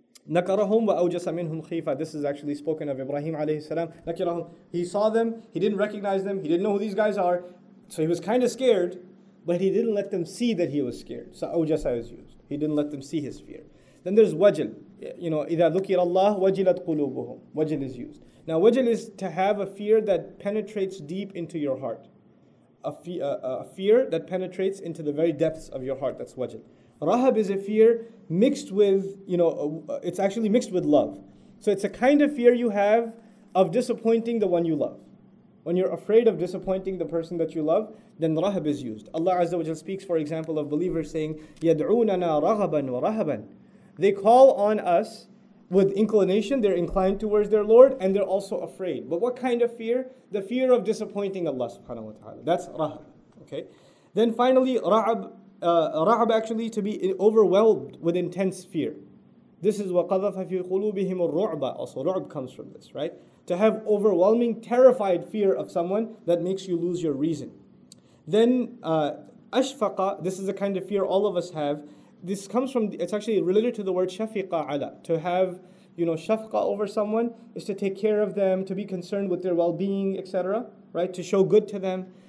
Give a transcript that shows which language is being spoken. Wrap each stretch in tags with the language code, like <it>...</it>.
<ar>Nakarahum wa awjasa minhum khifa.</ar> <en>This is actually spoken of Ibrahim alayhi salam.</en> <ar>Nakarahum.</ar> <en>He saw them, he didn't recognize them, he didn't know who these guys are. So he was kind of scared, but he didn't let them see that he was scared. So awjasa is used. He didn't let them see his fear. Then there's wajl. You know,</en> <ar>إِذَا ذُكِرَ اللَّهُ وَجِلَتْ قُلُوبُهُمْ.</ar> <en>Wajl is used. Now, wajl is to have a fear that penetrates deep into your heart. A fear that penetrates into the very depths of your heart. That's wajl. Rahab is a fear mixed with, you know, it's actually mixed with love. So it's a kind of fear you have of disappointing the one you love. When you're afraid of disappointing the person that you love, then rahab is used. Allah Azza wa Jal speaks, for example, of believers saying,</en> <ar>يَدْعُونَنَا رَغَبًا وَرَهَبًا.</ar> <en>They call on us with inclination, they're inclined towards their Lord, and they're also afraid. But what kind of fear? The fear of disappointing Allah subhanahu wa ta'ala. That's rahab. Okay? Then finally, ra'ab actually to be overwhelmed with intense fear. This is</en> <ar>وَقَذَفَ فِي قُلُوبِهِمُ الرُّعْبَ.</ar> <en>Also, ru'b comes from this, right? To have overwhelming, terrified fear of someone that makes you lose your reason. Then, ashfaqa, this is the kind of fear all of us have. This comes from, it's actually related to the word shafiqa ala. To have, you know, shafqa over someone is to take care of them, to be concerned with their well-being, etc. Right? To show good to them.</en>